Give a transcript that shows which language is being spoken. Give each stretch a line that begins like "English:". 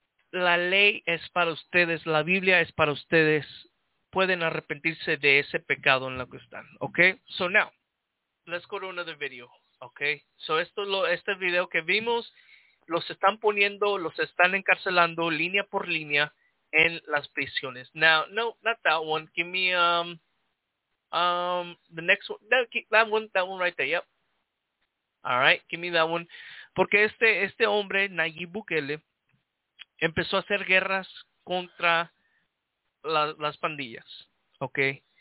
Spanish: La ley es para ustedes, la Biblia es para ustedes. Pueden arrepentirse de ese pecado en lo que están, ¿ok?
English: So now, let's go to another video,
Spanish: ¿ok? So esto, este video que vimos, los están poniendo, los están encarcelando línea por línea en las prisiones.
English: Now, no, not that one. Give me the next one. No, that one right there. Yep. All right. Give me that one.
Spanish: Porque este hombre Nayib Bukele empezó a hacer guerras contra las pandillas, ¿okay?